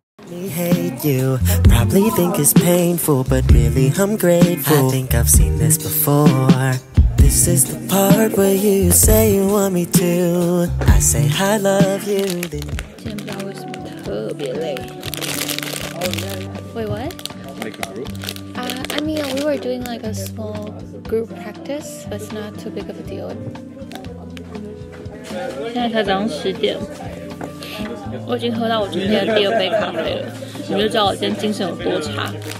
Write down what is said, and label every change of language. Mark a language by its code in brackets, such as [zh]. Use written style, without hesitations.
[en] Think it's painful, but really I'm grateful. I think I've seen this before. This is the part where you say you want me to. I say I love you. Then [zh] 今天不知道为什么特别累。 [en] Wait, what? Like a group? I mean, we were doing like a small group practice, but it's not too big of a deal. [zh] 现在才早上10点。我已经喝到我今天的第二杯咖啡了，你们就知道我今天精神有多差。